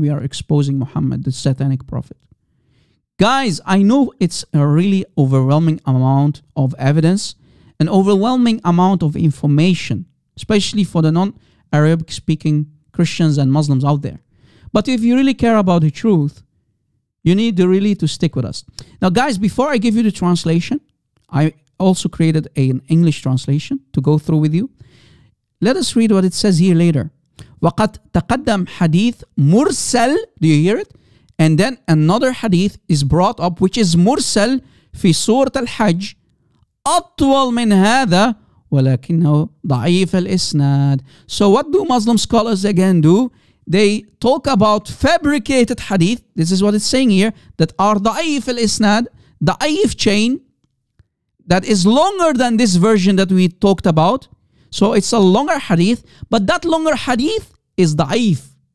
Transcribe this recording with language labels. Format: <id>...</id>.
<en>We are exposing Muhammad, the satanic prophet. Guys, I know it's a really overwhelming amount of evidence, an overwhelming amount of information, especially for the non-Arabic speaking Christians and Muslims out there. But if you really care about the truth, you need to really to stick with us. Now, guys, before I give you the translation, I also created an English translation to go through with you. Let us read what it says here later.</en> <ar>وَقَدْ تَقَدَّمْ حَدِيثْ مُرْسَلْ.</ar> <en>Do you hear it? And then another hadith is brought up, which is</en> <ar>مُرْسَلْ فِي سُورَةَ الْحَجْ أَطْوَلْ مِنْ هَذَا وَلَكِنَّهُ ضَعِيفَ الْإِسْنَادِ.</ar> <en>So what do Muslim scholars again do? They talk about fabricated hadith. This is what it's saying here, that are</en> <ar>ضَعِيفَ الْإِسْنَادِ,</ar> <en>ضَعِيف chain, that is longer than this version that we talked about. So it's a longer hadith, but that longer hadith is da'if.</en>